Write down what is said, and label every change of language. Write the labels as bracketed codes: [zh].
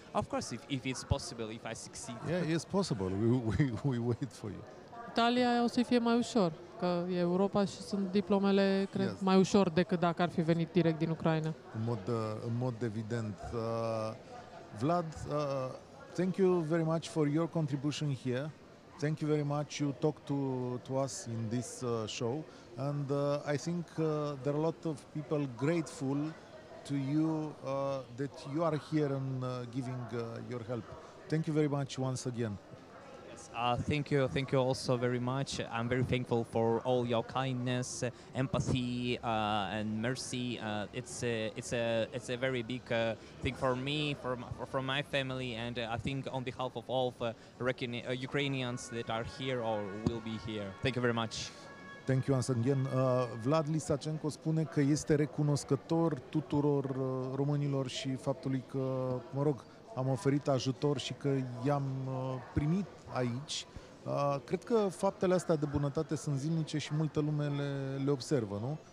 [en] Of course, if it's possible, if I succeed. Yeah, it's possible. We wait for you. [ro] Italia o să fie mai ușor, că e Europa și sunt diplomele, cred, yes, mai ușor decât dacă ar fi venit direct din Ucraina. În mod evident. [en] Vlad, thank you very much for your contribution here. Thank you very much you talked to us in this show. And I think there are a lot of people grateful to you that you are here and giving your help. Thank you very much once again. Thank you also very much. I'm very thankful for all your kindness, empathy, and mercy. It's a very big thing for me, for my family, and I think on behalf of all the Ukrainians that are here or will be here. Thank you very much. Thank you, Ansangen. [ro] Vlad Lisachenko spune că este recunoscător tuturor românilor și faptului că, mă rog, am oferit ajutor și că i-am primit aici. Cred că faptele astea de bunătate sunt zilnice și multă lume le observă, nu?